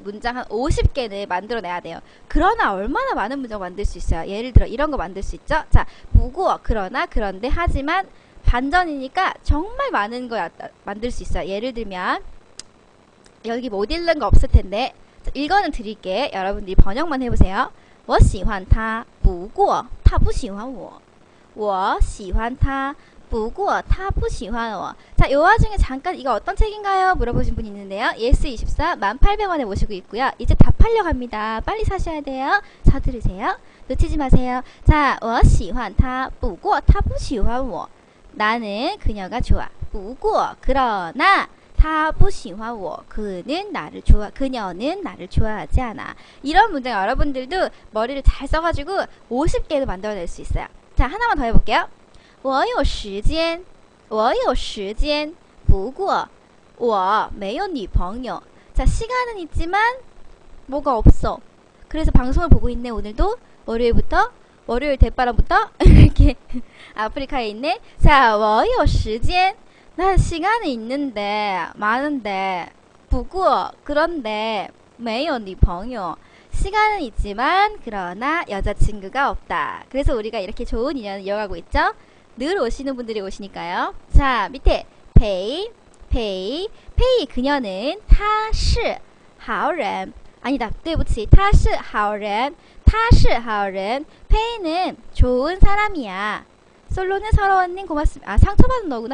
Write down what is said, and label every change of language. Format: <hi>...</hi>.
<ko>문장 한 50개를 만들어내야 돼요. 그러나 얼마나 많은 문장 만들 수 있어요? 예를 들어, 이런 거 만들 수 있죠? 자, 不过, 그러나, 그런데, 하지만, 반전이니까 정말 많은 거 만들 수 있어요. 예를 들면, 여기 못 읽는 거 없을 텐데, 자, 이거는 드릴게. 여러분들이 번역만 해보세요.</ko> <zh>我喜欢他,不过,他不喜欢我.我喜欢他,不过,他不喜欢我.</zh> <ko>자, 요 와중에 잠깐 이거 어떤 책인가요? 물어보신 분 있는데요. Yes24, 18,000원에 모시고 있고요. 이제 답하려고 합니다. 빨리 사셔야 돼요. 자, 들으세요. 놓치지 마세요.</ko> <zh>자, 我喜欢他,不过,他不喜欢我.</zh> <ko>나는 그녀가 좋아. 不过, 그러나.</ko> <zh>他不喜欢我.</zh> <ko>그녀는 나를 좋아하지 않아. 이런 문장 여러분들도 머리를 잘 써가지고 50개도 만들어낼 수 있어요. 자, 하나만 더 해볼게요.</ko> <zh>我有时间.我有时间.不过,我没有女朋友.</zh> <ko>자, 시간은 있지만 뭐가 없어. 그래서 방송을 보고 있네, 오늘도. 월요일부터. 월요일 대바람부터. 이렇게. 아프리카에 있네.</ko> <zh>자, 我有时间.</zh> <ko>난 시간이 있는데, 많은데, 不过, 그런데,</ko> <zh>没有女朋友.</zh> <ko>시간은 있지만, 그러나, 여자친구가 없다. 그래서 우리가 이렇게 좋은 인연을 이어가고 있죠? 늘 오시는 분들이 오시니까요. 자, 밑에, 페이, 그녀는,</ko> <zh>她是好人.</zh> <ko>아니다,</ko> <zh>对不起, 她是好人. 她是好人.</zh> <ko>페이는 좋은 사람이야. 솔로는 서러 언니 고맙습니다. 아, 상처받은 너구나.</ko>